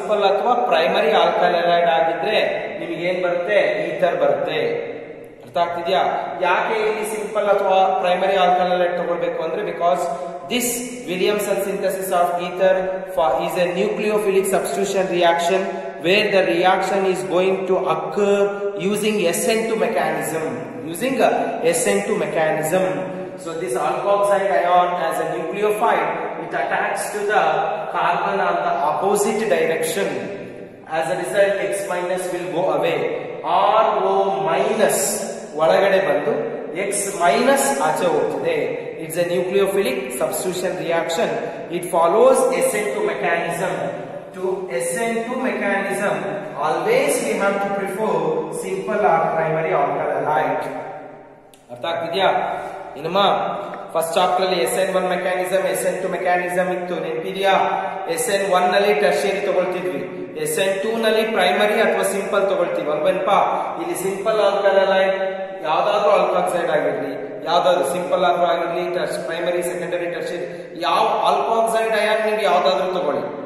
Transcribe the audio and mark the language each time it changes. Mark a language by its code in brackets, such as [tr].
[kn] ಅಥವಾ primary alkyl ಹಲೈಡ್ ಆಗಿದ್ರೆ ನಿಮಗೆ ಏನ್ ಬರುತ್ತೆ ಈಥರ್ ಬರುತ್ತೆ ಅರ್ಥ ಆಗ್ತಿದೆಯಾ ಯಾಕೆ ಇಲ್ಲಿ ಸಿಂಪಲ್ ಅಥವಾ ಪ್ರೈಮರಿ ಆಲ್ಕೈಲ್ ಹಲೈಡ್ ತಗೊಳ್ಬೇಕು ಅಂದ್ರೆ because [en] This Williamson synthesis of ether is a nucleophilic substitution reaction where the reaction is going to occur using SN2 mechanism. Using a SN2 mechanism. So this alkoxide ion as a nucleophile, it attacks to the carbon on the opposite direction. As a result, X minus will go away. RO minus, [kn] ಒಳಗಡೆ ಬಂದು X minus ಆಚೆ ಹೋಗ್ತದೆ [en] It's a nucleophilic substitution reaction. It follows SN2 mechanism. To SN2 mechanism, always we have to prefer simple or primary alkyl halide. [kn] ಅರ್ಥಾತ್ ವಿದ್ಯಾ ಇನ್ನಮ್ಮ first chapter ಅಲ್ಲಿ SN1 mechanism, SN2 mechanism ಇತ್ತು ನೆನಪಿದ್ಯಾ SN1 ನಲ್ಲಿ tertiary ತಗೊಳ್ತಿದ್ವಿ SN2 ನಲ್ಲಿ primary ಅಥವಾ simple ತಗೊಳ್ತೀವಿ ಅಲ್ವೇನಪ್ಪ ಇಲ್ಲಿ simple alkyl ಹಲೈಡ್ ಯಾವ್ದಾದ್ರೂ ಆಲ್ಕಾಕ್ಸೈಡ್ ಆಗಿರ್ಲಿ ಯಾವ್ದಾದ್ರು ಸಿಂಪಲ್ ಆದ್ರೂ ಆಗಿರ್ಲಿ ಪ್ರೈಮರಿ ಸೆಕೆಂಡರಿ ಟರ್ಷಿಯರಿ ಯಾವ ಆಲ್ಕಾಕ್ಸೈಡ್ ಅಯಾನ್ ನಿಮ್ಗೆ ಯಾವ್ದಾದ್ರು ತಗೊಳ್ಳಿ